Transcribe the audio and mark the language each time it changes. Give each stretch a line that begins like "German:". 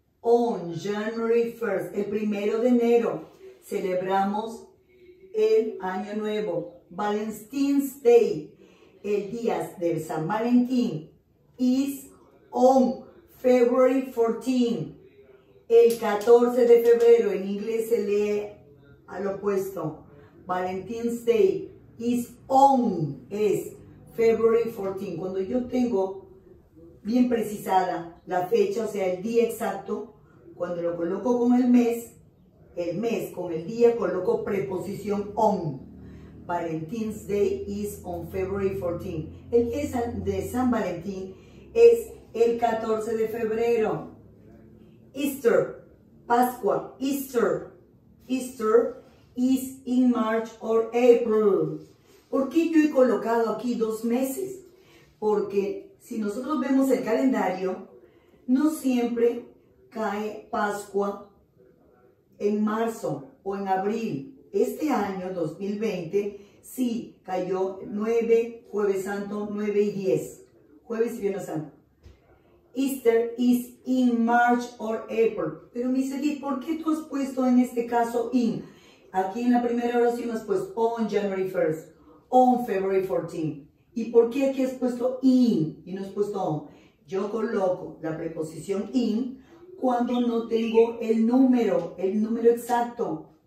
English: On January 1st,
Spanish: el primero de enero, celebramos el año nuevo. Valentín's Day, el día de San Valentín.
English: is on February 14.
Spanish: El 14 de febrero, en inglés se lee al opuesto.
English: Valentine's Day is on, es February 14.
Spanish: Cuando yo tengo bien precisada la fecha, o sea, el día exacto, cuando lo coloco con el mes con el día, coloco preposición on.
English: Valentine's Day is on February 14.
Spanish: El día de San Valentín es el 14 de febrero.
English: Easter, Pascua, Easter, Easter is in March or April.
Spanish: ¿Por qué yo he colocado aquí dos meses? Porque si nosotros vemos el calendario, no siempre cae Pascua en marzo o en abril. Este año, 2020, sí, cayó 9, Jueves Santo, 9 y 10. Jueves y Viernes Santo.
English: Easter is in March or April.
Spanish: Pero, mi Edith, ¿por qué tú has puesto en este caso in? Aquí en la primera oración has puesto
English: on January 1st, on February 14th.
Spanish: ¿Y por qué aquí has puesto in y no has puesto on? Yo coloco la preposición in cuando no tengo el número exacto.